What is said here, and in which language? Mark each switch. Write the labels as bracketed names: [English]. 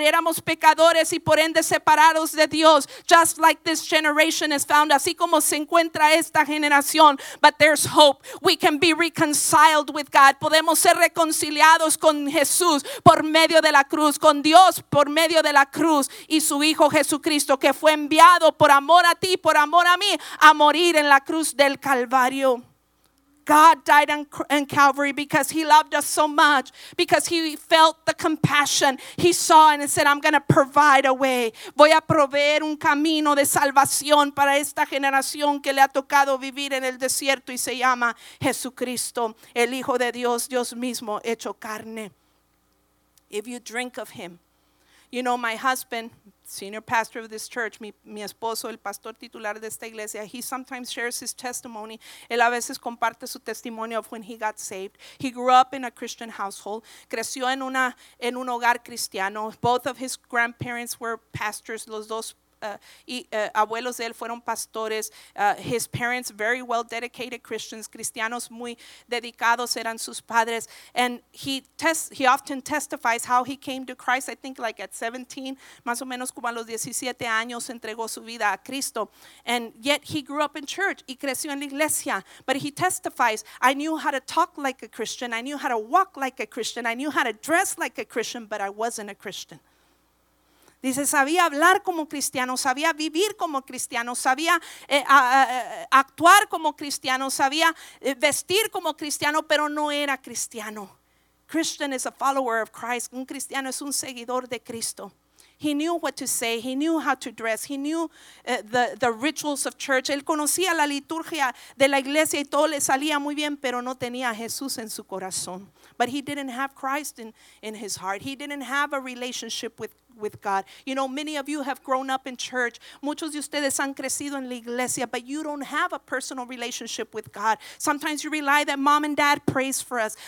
[Spanish] Éramos pecadores y por ende separados de Dios. [English] Just like this generation is found, [Spanish] así como se encuentra esta generación. [English] But there's hope. We can be reconciled with God. [Spanish] Podemos ser reconciliados con Jesús por medio de la cruz, con Dios por medio de la cruz y su Hijo Jesucristo, que fue enviado por amor a ti, por amor a mí, a morir en la cruz del Calvario. [English] God died on Calvary because he loved us so much, because he felt the compassion. He saw and said, I'm going to provide a way. [Spanish] Voy a proveer un camino de salvación para esta generación que le ha tocado vivir en el desierto y se llama Jesucristo, el Hijo de Dios, Dios mismo hecho carne. [English] If you drink of him, you know, my husband, senior pastor of this church, [Spanish] mi esposo, el pastor titular de esta iglesia, [English] he sometimes shares his testimony. [Spanish] Él a veces comparte su testimonio [English] of when he got saved. He grew up in a Christian household. [Spanish] Creció en un hogar cristiano. [English] Both of his grandparents were pastors. [Spanish] Los dos abuelos de él fueron pastores. [English] His parents, very well dedicated Christians, [Spanish] cristianos muy dedicados eran sus padres. [English] And he often testifies how he came to Christ. I think like at 17, [Spanish] más o menos como a los 17 años, entregó su vida a Cristo. [English] And yet he grew up in church [Spanish] y creció en la iglesia. [English] But he testifies, I knew how to talk like a Christian, I knew how to walk like a Christian, I knew how to dress like a Christian, but I wasn't a Christian. [Spanish] Dice, sabía hablar como cristiano, sabía vivir como cristiano, sabía actuar como cristiano, sabía vestir como cristiano, pero no era cristiano. [English] Christian is a follower of Christ. [Spanish] Un cristiano es un seguidor de Cristo. [English] He knew what to say. He knew how to dress. He knew the rituals of church. [Spanish] Él conocía la liturgia de la iglesia y todo le salía muy bien, pero no tenía a Jesús en su corazón. [English] But he didn't have Christ in his heart. He didn't have a relationship with God. You know, many of you have grown up in church. [Spanish] Muchos de ustedes han crecido en la iglesia, [English] but you don't have a personal relationship with God. Sometimes you rely that mom and dad prays for us.